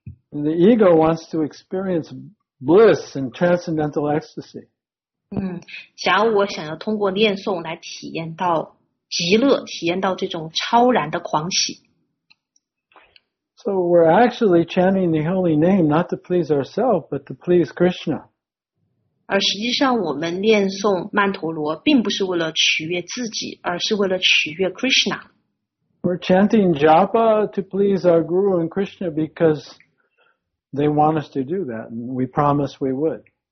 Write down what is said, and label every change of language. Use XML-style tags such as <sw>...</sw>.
<en>The ego wants to experience bliss and transcendental ecstasy.</en> <zh>假如我想要通过念诵来体验到极乐，体验到这种超然的狂喜。</zh> <en>So we're actually chanting the holy name not to please ourselves, but to please Krishna.</en> <zh>而实际上，我们念诵曼陀罗并不是为了取悦自己，而是为了取悦 Krishna。</zh> <en>We're chanting japa to please our guru and Krishna because they want us to do that, and we promise we would.</en>